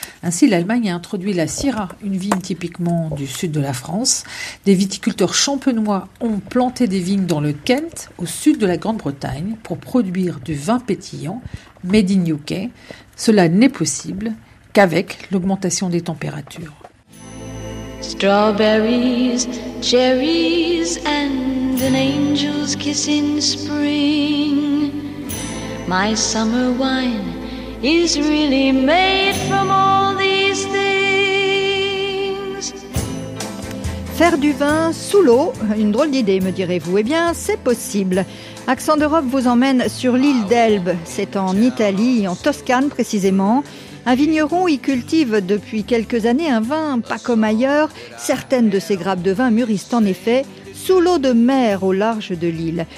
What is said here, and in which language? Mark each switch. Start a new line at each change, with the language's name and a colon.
French: Ainsi, l'Allemagne a introduit la Syrah, une vigne typiquement du sud de la France. Des viticulteurs champenois ont planté des vignes dans le Kent, au sud de la Grande-Bretagne, pour produire du vin pétillant, made in UK. Cela n'est possible qu'avec l'augmentation des températures.
English: Strawberries, cherries and an angel's kiss in spring. My summer wine is really made from all these things.
French: Faire du vin sous l'eau, une drôle d'idée, me direz-vous. Eh bien, c'est possible. Accent d'Europe vous emmène sur l'île d'Elbe. C'est en Italie, en Toscane précisément. Un vigneron y cultive depuis quelques années un vin pas comme ailleurs. Certaines de ses grappes de vin mûrissent en effet sous l'eau de mer au large de l'île.